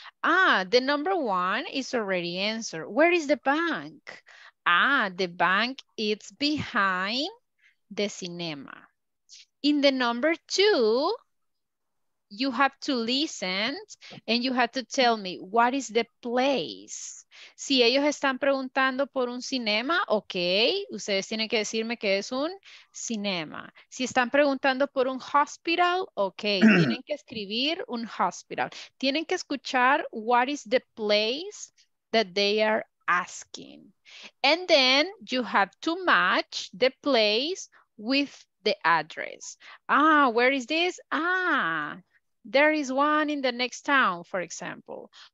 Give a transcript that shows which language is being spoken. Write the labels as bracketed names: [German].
[English] Ah, the number one is already answered. Where is the bank? Ah, the bank is behind the cinema. In the number two, you have to listen and you have to tell me what is the place. [Spanish] Si ellos están preguntando por un cinema, ok, ustedes tienen que decirme que es un cinema. Si están preguntando por un hospital, ok, tienen que escribir un hospital. Tienen que escuchar [English] what is the place that they are asking. And then you have to match the place with the address. Ah, where is this? Ah, there is one in the next town, for example.